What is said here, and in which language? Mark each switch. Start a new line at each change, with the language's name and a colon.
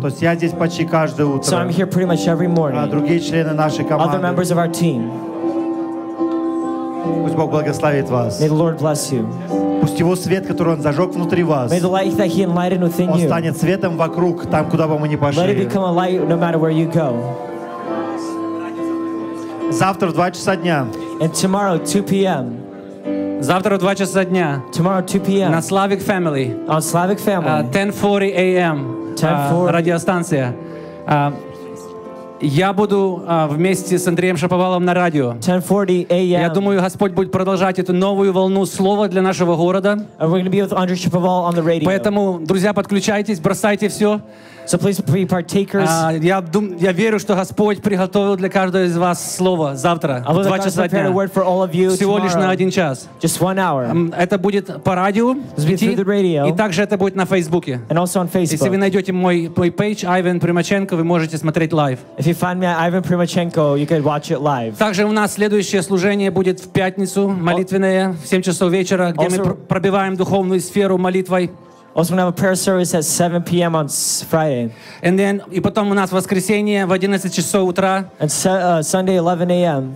Russian: То есть я здесь почти каждое утро.
English: So I'm here pretty much every morning.
Russian: А другие члены нашей команды.
English: Other members of our team.
Russian: Пусть Бог благословит вас.
English: May the Lord bless you.
Russian: Пусть его свет, который он зажег внутри вас,
English: may the light that he enlightened within you,
Russian: он станет светом вокруг, там, куда бы мы ни пошли.
English: Let it become a light no matter where you go.
Russian: Завтра в 2 часа дня.
English: And tomorrow, 2 p.m.
Russian: Завтра в 2 часа дня.
English: Tomorrow, 2 p.m.
Russian: На Slavic Family.
English: On Slavic Family. 10:40 a.m. 10:40.
Russian: Радиостанция. Я буду вместе с Андреем Шаповалом на радио.
English: 10:40 a.m.
Russian: Я думаю, Господь будет продолжать эту новую волну слова для нашего города.
English: And we're going to be with Andrei Shapoval on the radio.
Russian: Поэтому, друзья, подключайтесь, бросайте все.
English: So please be partakers.
Russian: Я верю, что Господь приготовил для каждого из вас слово завтра в 2 часа дня.
English: A word for all of you
Russian: всего
English: tomorrow,
Russian: лишь на один час.
English: Just one hour.
Russian: Это будет по радио, и также это будет на Фейсбуке.
English: And also on Facebook.
Russian: Если вы найдете мой пейдж Ivan Primachenko, вы можете смотреть live.
English: If you find me at Ivan Primachenko, you can watch it live.
Russian: Также у нас следующее служение будет в пятницу, молитвенное, в 7 часов вечера, где
English: also,
Russian: мы пробиваем духовную сферу молитвой.
English: Also, we have a prayer service at 7 p.m. on Friday. And then,
Russian: и потом у нас воскресенье в 11 часов утра.
English: And Sunday, 11 a.m.